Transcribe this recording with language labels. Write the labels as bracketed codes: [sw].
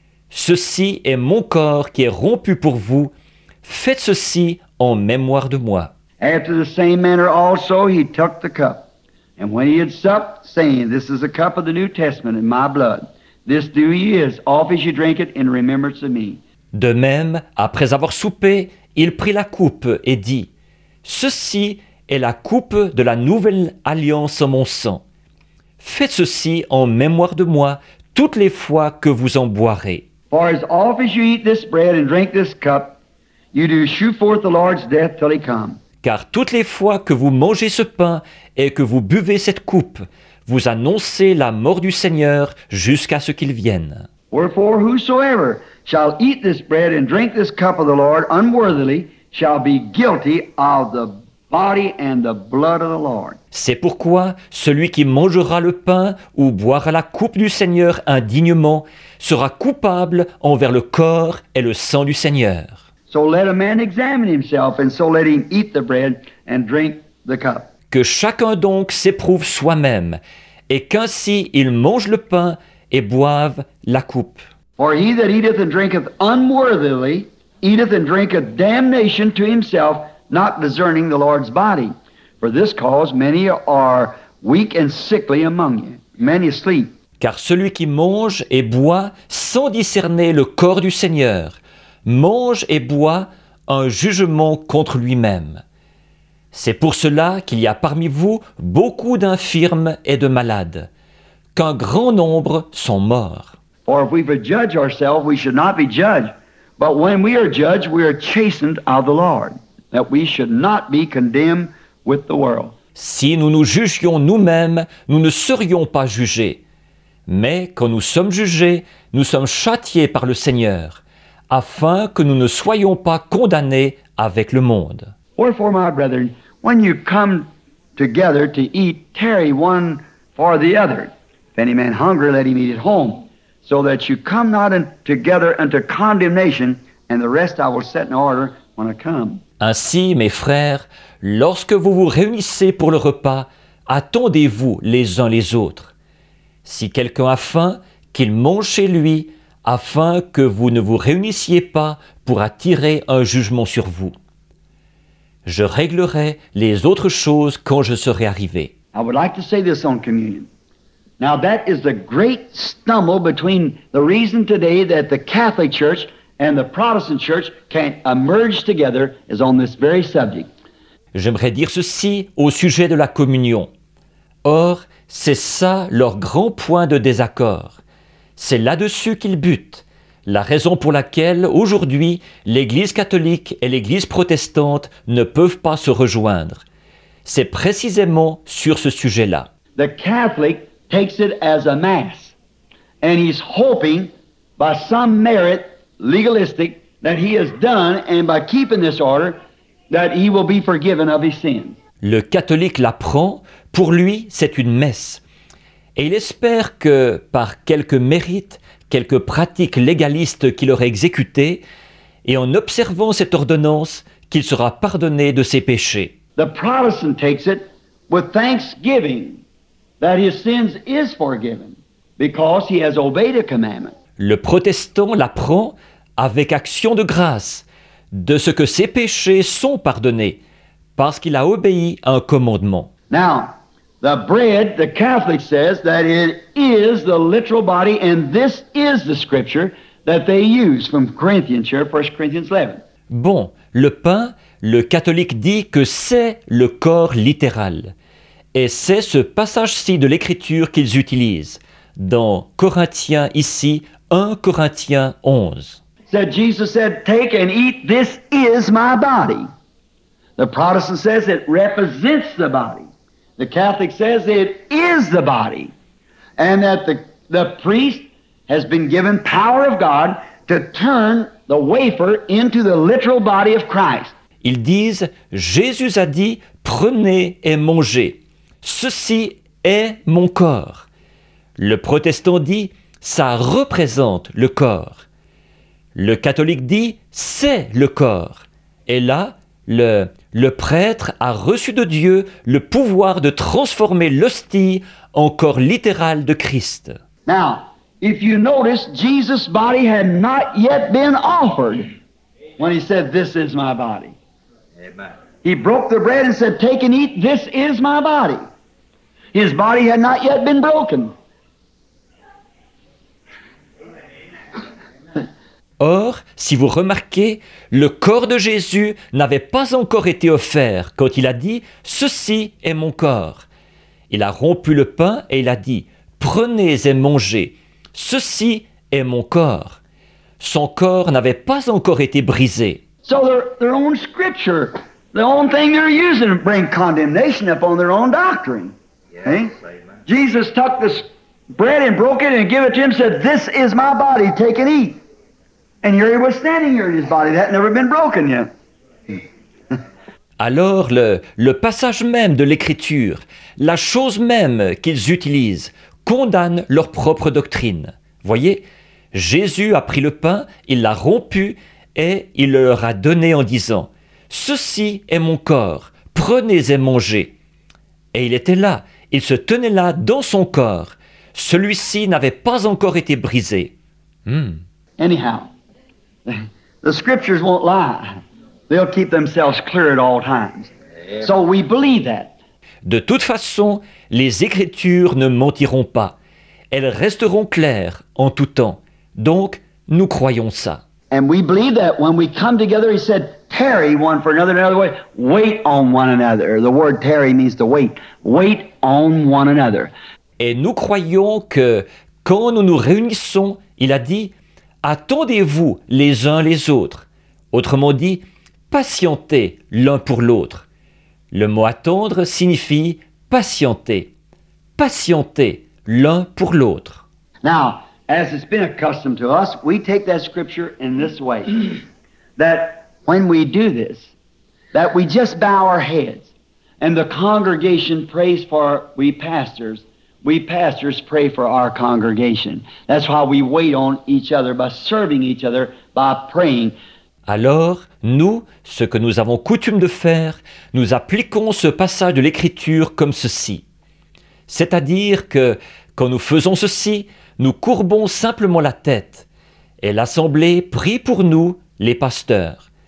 [fr] Ceci est mon corps qui est rompu pour vous. Faites ceci en mémoire de moi. [en] After the same manner also, he took the cup. And when he had supped, saying, this is the cup of the New Testament in my blood. This do ye as oft as ye drink it in remembrance of me. [fr] De même, après avoir soupé, il prit la coupe et dit, ceci est la coupe de la nouvelle alliance en mon sang. Faites ceci en mémoire de moi toutes les fois que vous en boirez. [en] For as oft as you eat this bread and drink this cup, you do shew forth the Lord's death till he come. [fr] Car toutes les fois que vous mangez ce pain et que vous buvez cette coupe, vous annoncez la mort du Seigneur jusqu'à ce qu'il vienne. [en] Wherefore whosoever shall eat this bread and drink this cup of the Lord unworthily shall be guilty of the body and the blood of the Lord. [fr] C'est pourquoi celui qui mangera le pain ou boira la coupe du Seigneur indignement sera coupable envers le corps et le sang du Seigneur. [en] So let a man examine himself, and so let him eat the bread and drink the cup. [fr] Que chacun donc s'éprouve soi-même, et qu'ainsi il mange le pain et boive la coupe. [en] For he that eateth and drinketh unworthily, eateth and drinketh damnation to himself, not discerning the Lord's body. For this cause many are weak and sickly among you, many sleep. [fr] Car celui qui mange et boit sans discerner le corps du Seigneur, mange et boit un jugement contre lui-même. C'est pour cela qu'il y a parmi vous beaucoup d'infirmes et de malades, qu'un grand nombre sont morts. [en] For if we judge ourselves, we should not be judged. But when we are judged, we are chastened of the Lord, that we should not be condemned with the world. [fr] Si nous nous jugions nous-mêmes, nous ne serions pas jugés. Mais quand nous sommes jugés, nous sommes châtiés par le Seigneur, afin que nous ne soyons pas condamnés avec le monde. [en] Wherefore, my brethren, when you come together to eat, tarry one for the other. If any man hunger, let him eat at home, so that you come not together unto condemnation, and the rest I will set in order when I come. [fr] Ainsi, mes frères, lorsque vous vous réunissez pour le repas, attendez-vous les uns les autres. Si quelqu'un a faim, qu'il mange chez lui, afin que vous ne vous réunissiez pas pour attirer un jugement sur vous. Je réglerai les autres choses quand je serai arrivé. [en] I would like to say this on communion. Now that is the great stumble between the reason today that the Catholic Church and the Protestant Church can't emerge together is on this very subject. [fr] J'aimerais dire ceci au sujet de la communion. Or, c'est ça leur grand point de désaccord. C'est là-dessus qu'ils butent. La raison pour laquelle, aujourd'hui, l'Église catholique et l'Église protestante ne peuvent pas se rejoindre. C'est précisément sur ce sujet-là. [en] The Catholic takes it as a mass. And he's hoping, by some merit legalistic, that he has done, and by keeping this order, that he will be forgiven of his sins. [fr] Le catholique la prend, pour lui, c'est une messe. Et il espère que, par quelques mérites, quelques pratiques légalistes qu'il aurait exécutées, et en observant cette ordonnance, qu'il sera pardonné de ses péchés. [en] The Protestant takes it with thanksgiving that his sins is forgiven because he has obeyed a commandment. [fr] Le protestant l'apprend avec action de grâce de ce que ses péchés sont pardonnés parce qu'il a obéi à un commandement. [en] Now, the bread, the Catholic says that it is the literal body, and this is the scripture that they use from Corinthians here, 1 Corinthians 11. [fr] Bon, le pain, le catholique dit que c'est le corps littéral. Et c'est ce passage-ci de l'Écriture qu'ils utilisent, dans Corinthiens ici, 1 Corinthiens 11. [en] Said Jesus said, take and eat, this is my body. The Protestant says it represents the body. The Catholic says it is the body. And that the priest has been given power of God to turn the wafer into the literal body of Christ. [fr] Ils disent, Jésus a dit, prenez et mangez. Ceci est mon corps. Le protestant dit, ça représente le corps. Le catholique dit, c'est le corps. Et là, le prêtre a reçu de Dieu le pouvoir de transformer l'hostie en corps littéral de Christ. [en] Now, if you notice, Jesus' body had not yet been offered when he said, this is my body. Amen. He broke the bread and said, take and eat, this is my body. His body had not yet been broken. [fr] Or, si vous remarquez, le corps de Jésus n'avait pas encore été offert quand il a dit, ceci est mon corps. Il a rompu le pain et il a dit, prenez et mangez, ceci est mon corps. Son corps n'avait pas encore été brisé. [en] So their own scripture, the only thing they're using to bring condemnation upon their own doctrine. Yes, amen. Jesus took this bread and broke it and gave it to him and said, this is my body, take and eat. And here he was standing here in his body that had never been broken yet. [fr] Alors le passage même de l'écriture, la chose même qu'ils utilisent, condamne leur propre doctrine. Voyez, Jésus a pris le pain, il l'a rompu, et il leur a donné en disant, « Ceci est mon corps, prenez et mangez. » Et il était là, il se tenait là dans son corps. Celui-ci n'avait pas encore été brisé. [en] Anyhow, the scriptures won't lie. They'll keep themselves clear at all times. So we believe that. [fr] De toute façon, les écritures ne mentiront pas. Elles resteront claires en tout temps. Donc, nous croyons ça. [en] And we believe that when we come together, he said, tarry one for another way. Wait on one another. The word tarry means to wait. Wait on one another. [fr] Et nous croyons que quand nous nous réunissons, il a dit, attendez-vous les uns les autres. Autrement dit, patientez l'un pour l'autre. Le mot attendre signifie patienter. Patientez l'un pour l'autre. [en] Now, as it's been accustomed to us, we take that scripture in this way, that when we do this, that we just bow our heads, and the congregation prays for we pastors pray for our congregation. That's why we wait on each other by serving each other by praying. [fr] Alors, nous, ce que nous avons coutume de faire, nous appliquons ce passage de l'Écriture comme ceci. C'est-à-dire que, quand nous faisons ceci, nous courbons simplement la tête et l'Assemblée prie pour nous, les pasteurs.